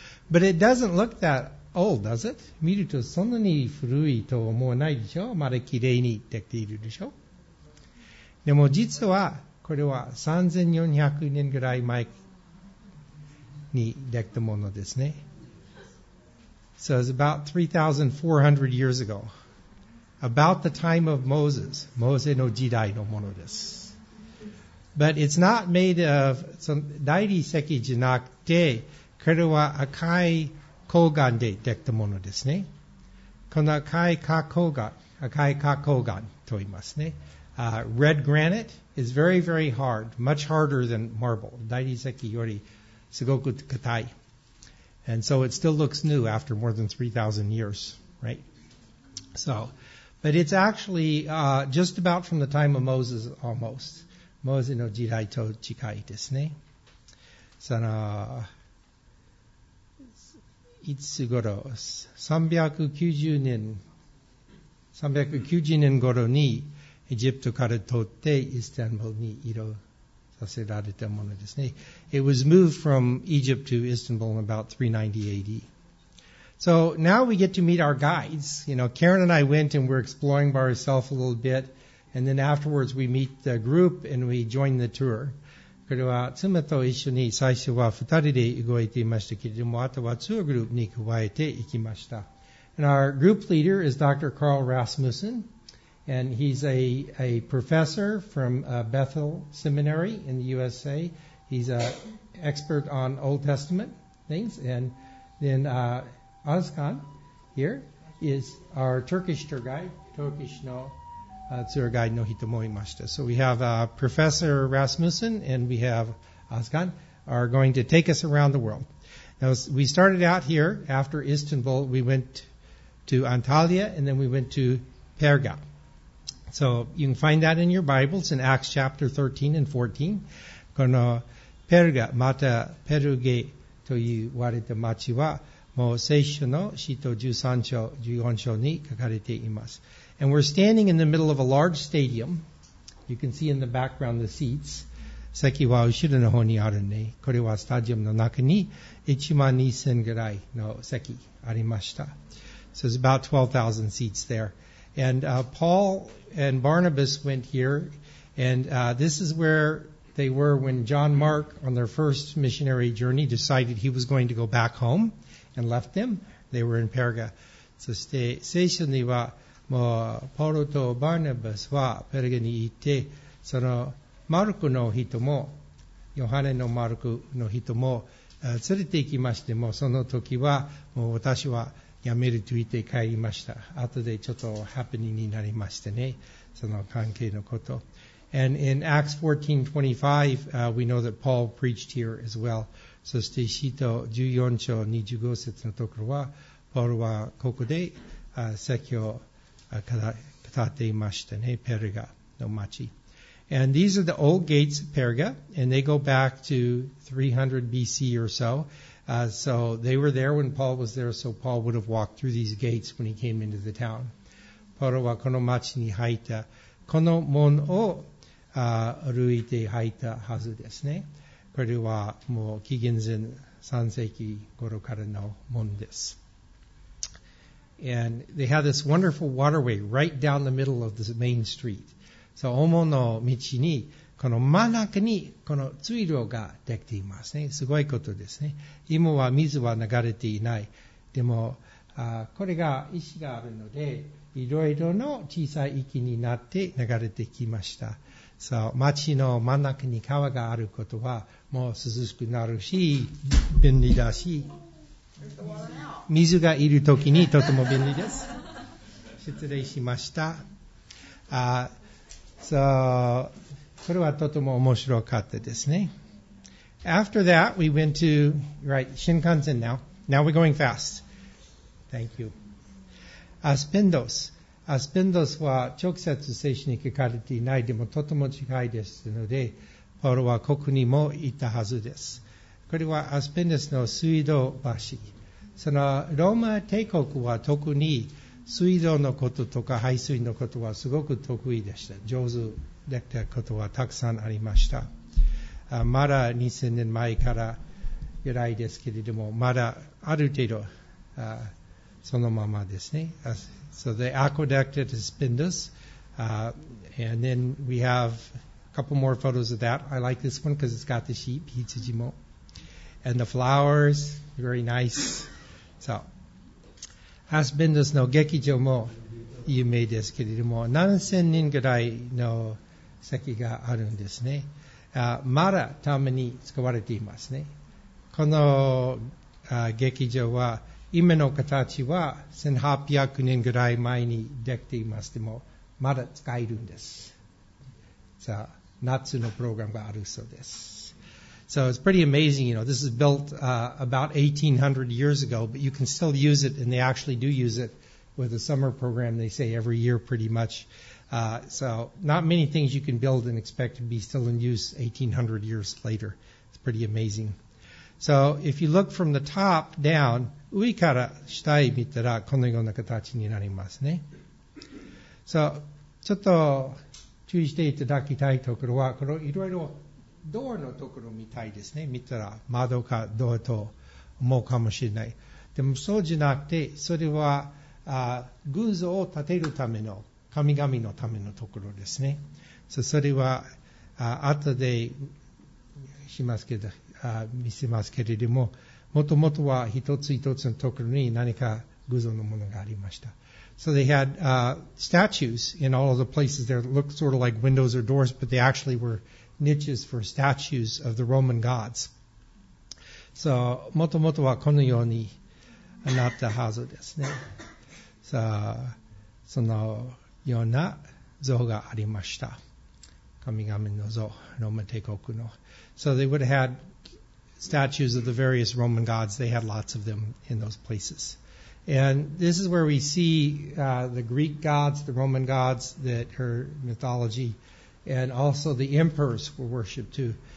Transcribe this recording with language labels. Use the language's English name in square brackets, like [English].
[English] But it doesn't look that old, does it? [Japanese] 見るとそんなに古いと思わないでしょ？まだ綺麗にできているでしょ？でも実は、これは3400年ぐらい前にできたものですね。 [English] So it's about 3,400 years ago. About the time of Moses. [Japanese] モーセの時代のものです。 [English] But it's not made of some [Japanese] 大理石じゃなくて、これは赤い黄岩でできたものですね。この赤い花崗岩、赤い花崗岩と言いますね。 [English] Red granite is very, very hard, much harder than marble. [Japanese] 大理石よりすごく硬い。 [English] And so it still looks new after more than 3,000 years, right? So, but it's actually just about from the time of Moses, almost. [Japanese] Moses の時代と近いですね。その、いつ頃、390年頃にエジプトから取ってイスタンブルに移動させられたものですね。 [English] It was moved from Egypt to Istanbul in about 390 AD. So now we get to meet our guides. You know, Karen and I went and we're exploring by ourselves a little bit. And then afterwards we meet the group and we join the tour. [Japanese] これは妻と一緒に最初は二人で動いていましたけれども、あとはツアーグループに加えて行きました。 [English] And our group leader is Dr. Carl Rasmussen. And he's a professor from Bethel Seminary in the USA. He's an expert on Old Testament things. And then Ozkan here is our Turkish tour guide, Turkish [Japanese] no tour guide no hitomo imashita. [English] So we have Professor Rasmussen and we have Ozkan are going to take us around the world. Now, we started out here after Istanbul. We went to Antalya and then we went to Perga. So you can find that in your Bibles in Acts chapter 13 and 14. [Japanese] このペルガ、またペルゲと言われた町は、もう聖書の使徒13章、14章に書かれています。 [English] And we're standing in the middle of a large stadium. You can see in the background the seats. [Japanese] 席は後ろの方にあるね。これはスタジアムの中に1万2000ぐらいの席ありました。 [English] So it's about 12,000 seats there. And Paul and Barnabas went here, and this is where they were when John Mark, on their first missionary journey, decided he was going to go back home and left them. They were in Perga. [Japanese] そして聖書にはもうポロとバーナバスはペルガに行って、そのマルクの人も、ヨハネのマルクの人も連れて行きまして、もうその時はもう私はやめると言って帰りました。後でちょっとハプニングになりましてね、その関係のこと。 [English] And in Acts 14:25, we know that Paul preached here as well. [Japanese] そして使徒14章25節のところは、ポールはここで説教語っていましたね、ペルガの町。 [English] And these are the old gates of Perga, and they go back to 300 BC or so. So they were there when Paul was there, so Paul would have walked through these gates when he came into the town. [Japanese] パウロはこの町に入った、この門を歩いて入ったはずですね。これはもう紀元前3世紀頃からの門です。 [English] And they had this wonderful waterway right down the middle of this main street. So [Japanese] 主の道にこの真ん中にこの水路ができていますね。すごいことですね。今は水は流れていない。でもこれが石があるのでいろいろの小さい池になって流れてきました。そう、町の真ん中に川があることはもう涼しくなるし便利だし、水がいるときにとても便利です。失礼しました。そう、これはとても面白かったですね。 [English] After that we went to right, Shinkansen now. Now we're going fast. Thank you. Aspendos. [Japanese] Aspendos は直接聖書に書かれていない、でもとても近いですので、パウロはここにも行ったはずです。これはアスペンデスの水道橋。そのローマ帝国は特に水道のこととか排水のことはすごく得意でした。上手できたことはたくさんありました。まだ2000年前からぐらいですけれども、まだある程度そのままですね。 [English] So the aqueduct at Aspendos, and then we have a couple more photos of that. I like this one because it's got the sheep, [Japanese] Hitsuji mo, [English] and the flowers, very nice. [Japanese] So Aspendos の劇場も有名ですけれども、7000人ぐらいの席があるんですね。まだために使われていますね。この劇場は今の形は1800年ぐらい前にできています。でもまだ使えるんです。さあ、夏のプログラムがあるそうです。 [English] So it's pretty amazing, you know, this is built about 1800 years ago, but you can still use it, and they actually do use it with a summer program, they say, every year pretty much. So not many things you can build and expect to be still in use 1800 years later. It's pretty amazing. So if you look from the top down, [Japanese] 上から下へ見たらこのような形になりますね。 So ちょっと注意していただきたいところは、このいろいろドアのところみたいですね。見たら窓かドアと思うかもしれない。でもそうじゃなくて、それは偶像を建てるための神々のためのところですね。 So、それは後でしますけど、見せますけれども、もともとは一つ一つのところに何か偶像のものがありました。 [English] So they had statues in all of the places there. It looked sort of like windows or doors, but they actually were niches for statues of the Roman gods. [Japanese] So もともとはこのようになったはずですね。さあ、そのような像がありました。神々の像、ローマ帝国の。 [English] So they would have had statues of the various Roman gods. They had lots of them in those places. And this is where we see the Greek gods, the Roman gods, that her mythology, and also the emperors were worshipped too.